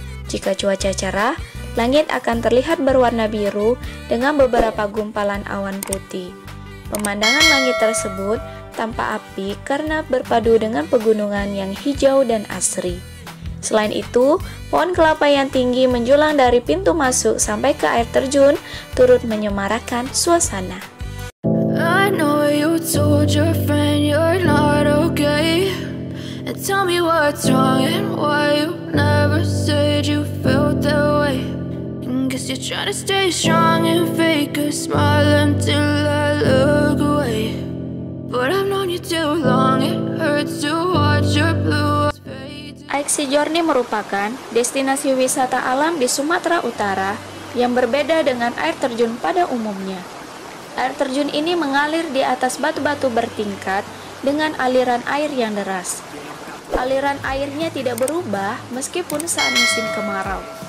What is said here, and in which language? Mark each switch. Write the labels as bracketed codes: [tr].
[id] Jika cuaca cerah, langit akan terlihat berwarna biru dengan beberapa gumpalan awan putih. Pemandangan langit tersebut tampak apik karena berpadu dengan pegunungan yang hijau dan asri. Selain itu, pohon kelapa yang tinggi menjulang dari pintu masuk sampai ke air terjun turut menyemarakkan suasana. [en] I know you told your friend you're not okay. And tell me what's wrong and why you never said you felt that way. Guess you're trying to stay strong and fake a smile until I look away. But I've known you too long, it hurts to watch your blue eyes fade. [id] IC Journey merupakan destinasi wisata alam di Sumatera Utara yang berbeda dengan air terjun pada umumnya. Air terjun ini mengalir di atas batu-batu bertingkat dengan aliran air yang deras. Aliran airnya tidak berubah meskipun saat musim kemarau.